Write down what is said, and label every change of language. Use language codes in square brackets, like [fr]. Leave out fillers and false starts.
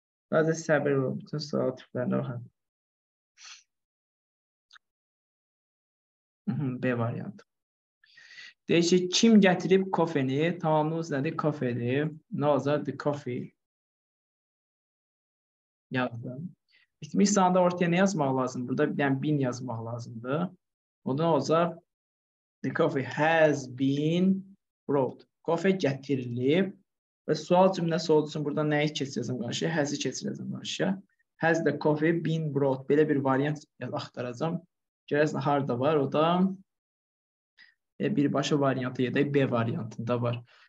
[az] Sadəcə səbir olun, bütün sual tiplərinə baxın. B variantı. Deyir ki, kim gətirib kofeni? Tamamlığımız nədir? Kofedir. Nə olacaq? The coffee. Yazdım. Bitmiş zamanda ortaya nə yazmaq lazımdır? Burada yəni been yazmaq lazımdır. O da nə olacaq? [en] The coffee has been brought. [az] Kofe gətirilib və sual cümləsi olsun burada nəyi keçirəcəm qarşıya? Has-i keçirəcəm qarşıya. [en] Has the coffee been brought? [az] Belə bir variant axtaracağım. Görəsən harda var o da? Birbaşa variantı ya da B variantında var.